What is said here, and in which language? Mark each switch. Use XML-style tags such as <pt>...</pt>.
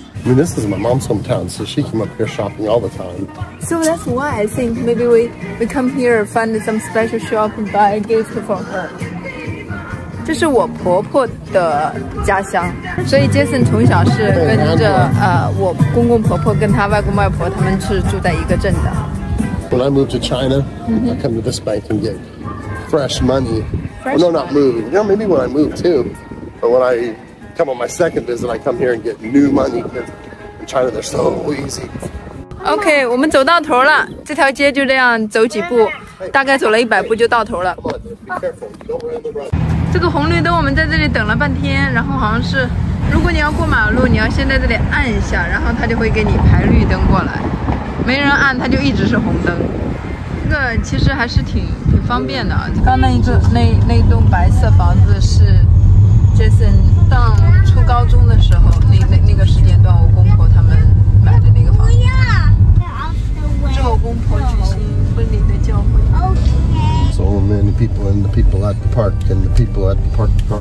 <en>I mean, this is my mom's hometown, so she came up here shopping all the time. So that's why I think maybe we come here find some special shop and buy a gift for her.</en> <zh>这是我婆婆的家乡，所以 Jason 从小是跟着我公公婆婆跟他外公外婆他们是住在一个镇的。</zh> <en>When I moved to China, I come to this bank and get fresh money. Well, no, not move. You know, maybe when I move too, but when I come on my second visit, I come here and get new money. In China, they're so easy.</en> <zh>Okay, 我们走到头了，这条街就这样走几步，大概走了100步就到头了。这个红绿灯我们在这里等了半天，然后好像是如果你要过马路你要先在这里按一下，然后他就会给你排绿灯过来，没人按他就一直是红灯。个其实还是挺方便的。刚那一座那栋白色房子是 Jason 上初高中的时候那个时间段，我公婆他们买的那个房子。不要，祝我公婆举行婚礼的教会。</zh> <en>So many people and the people at the park and the people at the park.</en>